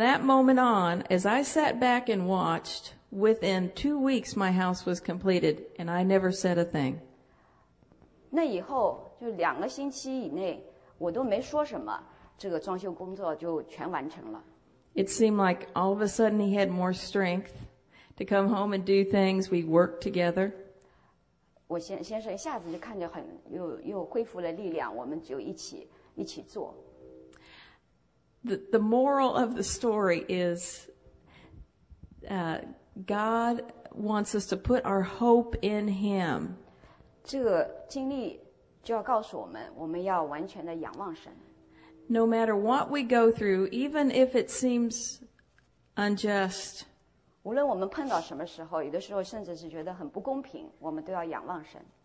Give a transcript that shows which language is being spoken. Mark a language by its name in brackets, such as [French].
[English] that moment on, as I sat back and watched, within 2 weeks my house was completed, and I never said a thing. [Chinese] 那以后，就两个星期以内，我都没说什么，这个装修工作就全完成了。 [English] It seemed like all of a sudden he had more strength to come home and do things. We work together. [Chinese] 我先生一下子就看着很又恢复了力量， 我们就一起做。 [English] The moral of the story is God wants us to put our hope in Him. [Chinese] 这个经历就要告诉我们， 我们要完全的仰望神。 [English] No matter what we go through, even if it seems unjust, [Chinese] 无论我们碰到什么时候， 有的时候甚至是觉得很不公平， 我们都要仰望神。